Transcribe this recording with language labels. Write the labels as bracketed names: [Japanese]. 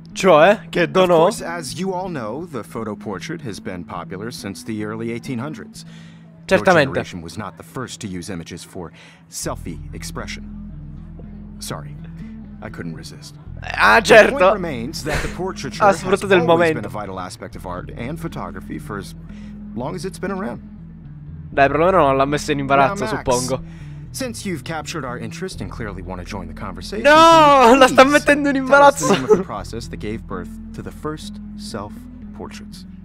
[Italian] Cioè, che dono? [English] Of course, as you all know, the photo portrait has been popular since the early 1800s. [Italian] Certamente. [English] Your generation was not the first to use images for selfie expression. Sorry, I couldn't resist. [Italian] Ah, certo. [English] The point that the portraiture has always been a vital aspect of art and photography for as long as it's been around. [Italian] Dai, perlomeno non l'ha messo in imbarazzo, Max, suppongo. [English] Since you've captured our interest and clearly want to join the conversation, [Italian] no, la sta mettendo in imbarazzo. [English] The process that gave birth to the first self-portraits.